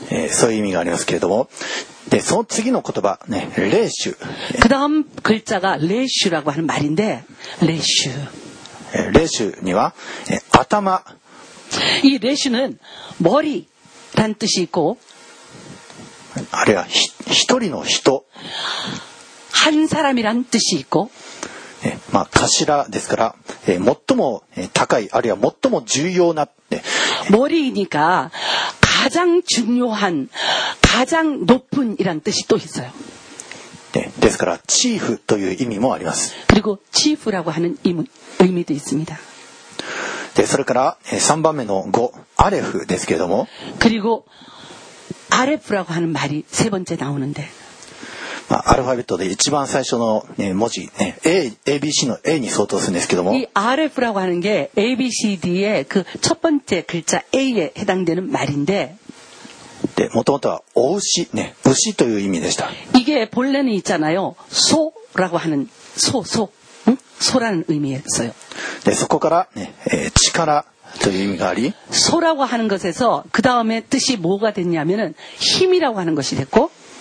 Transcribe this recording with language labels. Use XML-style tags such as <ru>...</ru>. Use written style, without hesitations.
<ja>そういう意味がありますけれども、でその次の言葉、ね、レーシュ。</ja> <ko>그다음글자가레이슈라고하는말인데、レーシュ。</ko> <ja>レーシュには、頭。</ja> <ko>이레이슈는머리라는뜻이있고、</ko> <ja>あるいは一人の人、</ja> <ko>한사람이라는뜻이있고、</ko> <ja>まあ頭ですから、最も高い、あるいは最も重要な、</ja> <ko>머리이니까가장중요한、가장높은이란뜻이또있어요。</ko> <ja>네、ですからチーフという意味もあります。</ja> <ko>그리고チーフ라고하는의미도있습니다。</ko> <ja>でそれから3番目の5、アレフですけれども。</ja> <ko>그리고アレフ라고하는말이세번째나오는데、</ko> <ja>まあ、アルファベットで一番最初の、ね、文字、ね、A、ABC の A に相当するんですけども。</ja> <ko>이アレフ라고하는게 ABCD 의그첫번째글자 A 에해당되는말인데、</ko> <ja>で元々は牡牛、ね、牛という意味でした。</ja> <ko>이게본래는있잖아요。 소라고하는소소、응、소라는의미였어요。</ko> <ja>でそこから、ね、力という意味があり、</ja> <ko>소라고하는것에서그다음에뜻이뭐가됐냐면은힘이라고하는것이됐고、</ko>